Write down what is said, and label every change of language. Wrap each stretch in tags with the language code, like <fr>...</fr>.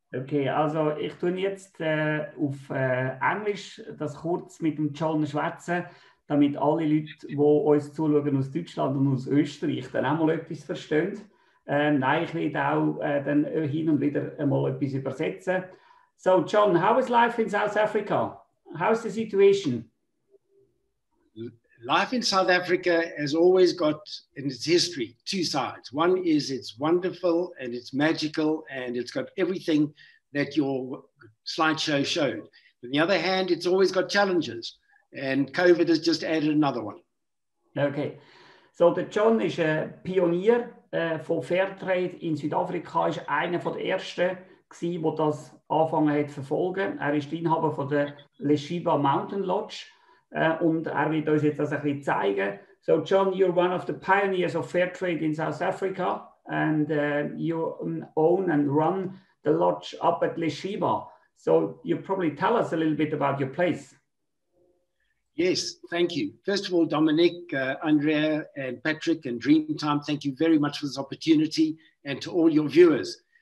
<de>Okay, also ich tue jetzt auf Englisch das kurz mit dem John schwätzen, damit alle Leute, die uns zuschauen aus Deutschland und aus Österreich, dann auch mal etwas verstehen. Nein, ich werde auch dann hin und wieder mal etwas übersetzen.</de> <en>So, John, how is life in South Africa? How's the situation? Life in South Africa has always got in its history two sides. One is it's wonderful and it's magical and it's got everything that your slideshow showed. On the other hand, it's always got challenges and COVID has just added another one. Okay. So the John is a pioneer for fair trade in Südafrika.</en> <de>Ist einer von den ersten gsi, wo das angefangen hat verfolgen. Er ist Inhaber von der Les Shiba Mountain Lodge. Und er wird uns jetzt das ein bisschen zeigen.</de> <en>So John, you're one of the pioneers of fair trade in South Africa and you own and run the lodge up at Les Shiba. So you probably tell us a little bit about your place. Yes, thank you. First of all, Dominic, Andrea and Patrick and Dreamtime, thank you very much for this opportunity and to all your viewers.</en>